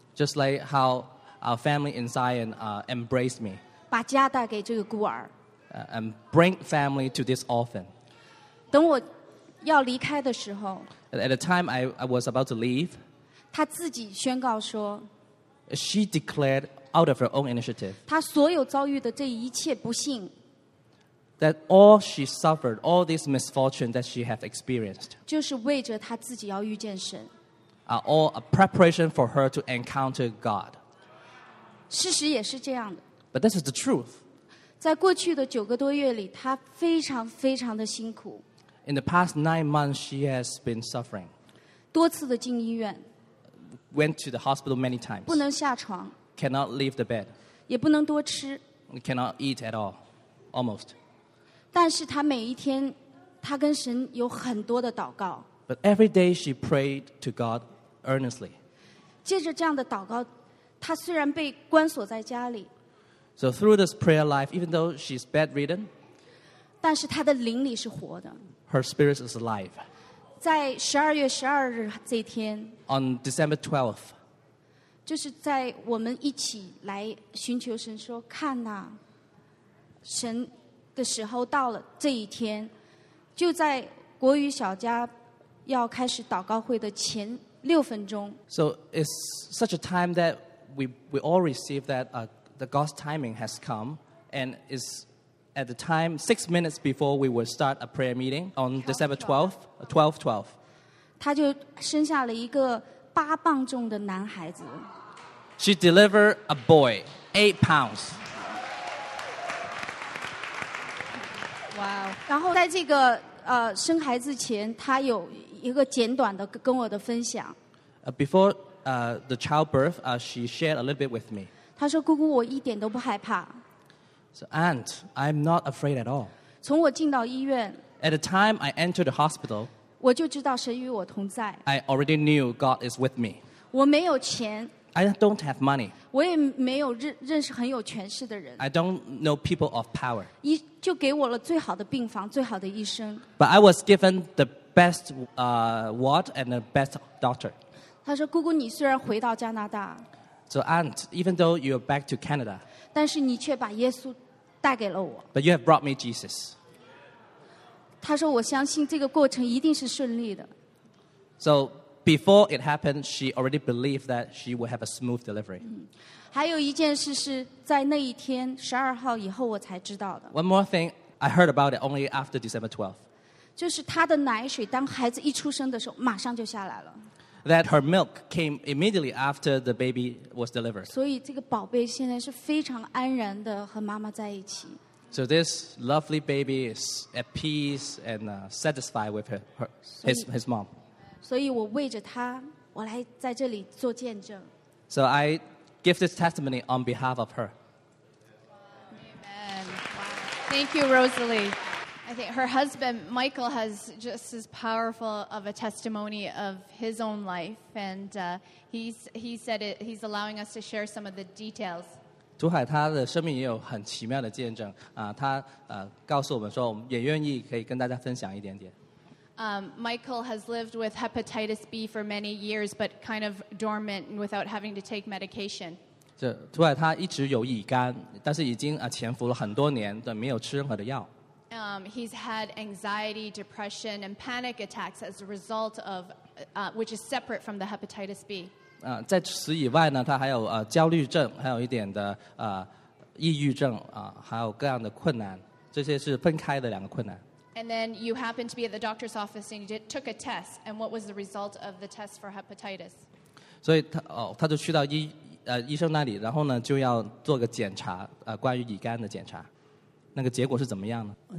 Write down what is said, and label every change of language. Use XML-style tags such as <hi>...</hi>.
<en>Just like how our family in Zion embraced me.</en> <zh>把家带给这个孤儿</zh> <en>and bring family to this orphan.</en> <zh>等我要离开的时候</zh> <en>at the time I was about to leave,</en> <zh>她自己宣告说</zh> <en>she declared out of her own initiative,</en> <zh>她所有遭遇的这一切不幸</zh> <en>that all she suffered, all this misfortune that she had experienced,</en> <zh>就是为着她自己要遇见神</zh> <en>are all a preparation for her to encounter God.</en> <zh>事实也是这样的。</zh> <en>But this is the truth.</en> <zh>在过去的九个多月里，她非常非常的辛苦。</zh> <en>In the past 9 months, she has been suffering.</en> <zh>多次的进医院。</zh> <en>Went to the hospital many times.</en> <zh>不能下床。</zh> <en>Cannot leave the bed.</en> <zh>也不能多吃。</zh> <en>Cannot eat at all, almost.</en> <zh>但是她每一天，她跟神有很多的祷告。</zh> <en>But every day she prayed to God earnestly.</en> <zh>借着这样的祷告，她虽然被关锁在家里。</zh> <en>So through this prayer life, even though she's bedridden,</en> <zh>但是她的灵里是活的。</zh> <en>Her spirit is alive.</en> <zh>在十二月十二日这天。</zh> <en>On December 12th.</en> <zh>就是在我们一起来寻求神说看哪、啊、神的时候到了这一天，就在国语小家要开始祷告会的前六分钟。</zh> <en>So it's such a time that we all receive that The God's timing has come, and is at the time 6 minutes before we will start a prayer meeting on December 12th.</en> <zh>她就生下了一个八磅重的男孩子。</zh> <en>She delivered a boy, 8 pounds. Wow.</en> <zh>然后在这个生孩子前，她有一个简短的跟我的分享。</zh> <en>Before the childbirth, she shared a little bit with me.</en> <zh>她说：“姑姑，我一点都不害怕。”</zh> <en>So, Aunt, I'm not afraid at all.</en> <zh>从我进到医院</zh> <en>，At the time I entered the hospital,</en> <zh>我就知道神与我同在。</zh> <en>I already knew God is with me.</en> <zh>我没有钱</zh> <en>，I don't have money.</en> <zh>我也没有认识很有权势的人</zh> <en>，I don't know people of power.</en> <zh>就给我了最好的病房，最好的医生。</zh> <en>But I was given the best ward and the best doctor.</en> <zh>她说：“姑姑，你虽然回到加拿大。”</zh> <en>So, Aunt, even though you are back to Canada,</en> <zh>但是你却把耶稣带给了我。</zh> <en>But you have brought me Jesus.</en> <zh>他说：“我相信这个过程一定是顺利的。”</zh> <en>So, before it happened, she already believed that she would have a smooth delivery.</en> <zh>还有一件事是在那一天十二号以后我才知道的。</zh> <en>One more thing, I heard about it only after December 12th.</en> <zh>就是她的奶水当孩子一出生的时候马上就下来了。</zh> <en>That her milk came immediately after the baby was delivered.</en> <zh>所以这个宝贝现在是非常安然的和妈妈在一起。</zh> <en>So this lovely baby is at peace and satisfied with his mom.</en> <zh>所以我为着他，我来在这里做见证。</zh> <en>So I give this testimony on behalf of her. Amen. Thank you, Rosalie. I think her husband, Michael, has just as powerful of a testimony of his own life. And he's allowing us to share some of the details.</en> <zh>珠海他的生命也有很奇妙的见证、他、告诉我们说我们也愿意可以跟大家分享一点点、</zh> <en>Michael has lived with hepatitis B for many years but kind of dormant without having to take medication</en> <zh>珠海他一直有乙肝但是已经、潜伏了很多年但没有吃任何的药、</zh> <en>He's had anxiety, depression and panic attacks as a result of、which is separate from the hepatitis B</en> <zh>在此以外呢他还有、焦虑症还有一点的、抑郁症、还有各样的困难这些是分开的两个困难</zh> <en>And then you happened to be at the doctor's office and you did, took a test and what was the result of the test for hepatitis</en> <zh>所以 他就去到 医生那里然后呢就要做个检查、关于乙肝的检查那个结果是怎么样呢、</zh>